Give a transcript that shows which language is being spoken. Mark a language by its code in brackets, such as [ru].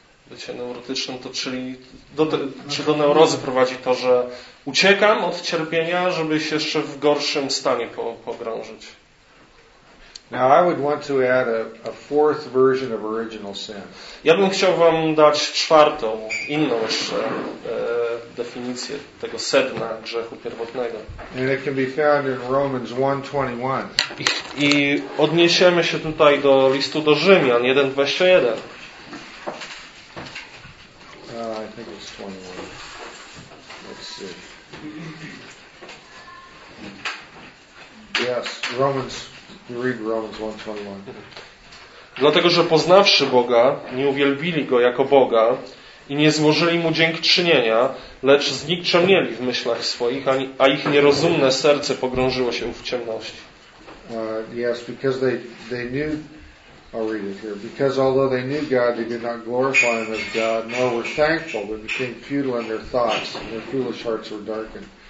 [pl] Bycie neurotycznym, to czyli do neurozy prowadzi to, że uciekam od cierpienia, żeby się jeszcze w gorszym stanie pogrążyć. [en] Now I would want to add a fourth version of original sin. [pl] Ja bym chciał wam dać czwartą, inną jeszcze definicję tego sedna grzechu pierwotnego. [en] And it can be found in Romans 1:21. [pl] I odniesiemy się tutaj do listu do Rzymian 1:21. [en] I think it's 21. Let's see. Yes, Romans. You read Romans 1:21. [pl] Dlatego, że poznawszy Boga, nie uwielbili Go jako Boga i nie złożyli Mu dziękczynienia, lecz znikczemnieli w myślach swoich, a ich nierozumne serce pogrążyło się w ciemności. [en] Yes, because they knew, I'll read it here, because although they knew God, they did not glorify Him as God, nor were thankful, but became futile in their thoughts, and their foolish hearts were darkened.